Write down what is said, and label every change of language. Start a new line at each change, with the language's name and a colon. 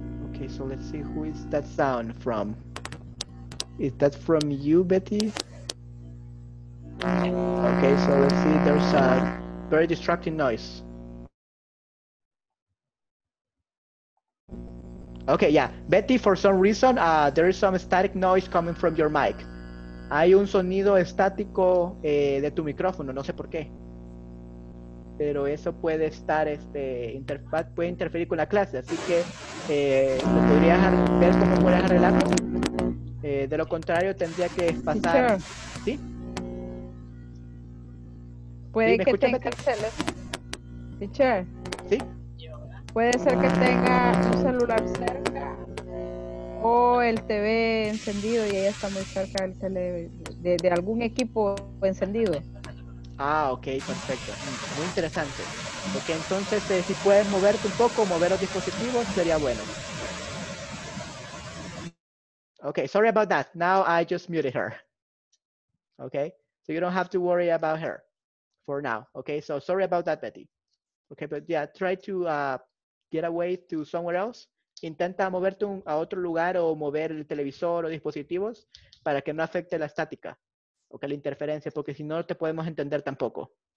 English: Okay, so let's see who is that sound from. Is that from you, Betty? Okay, so let's see, there's a very distracting noise. Okay, yeah, Betty, for some reason, there is some static noise coming from your mic.
Spanish: Hay un sonido estático de tu micrófono, no sé por qué. Pero eso puede estar, puede interferir con la clase, así que lo podrías ver cómo puedes arreglarlo. De lo contrario, tendría que pasar.
English: Teacher.
Spanish: ¿Sí? Puede que tenga el celular. Teacher. ¿Sí? Puede ser que tenga su celular cerca o el TV encendido y ella está muy cerca del de algún equipo encendido. Ah, ok, perfecto. Muy interesante. Ok, entonces, si puedes moverte un poco, mover los dispositivos, sería bueno.
English: Okay, sorry about that. Now I just muted her. Okay, so you don't have to worry about her for now. Okay, so sorry about that, Betty. Okay, but yeah, try to get away to somewhere else.
Spanish: Intenta moverte a otro lugar o mover el televisor o dispositivos para que no afecte la estática o que la interferencia, porque si no, no te podemos entender tampoco.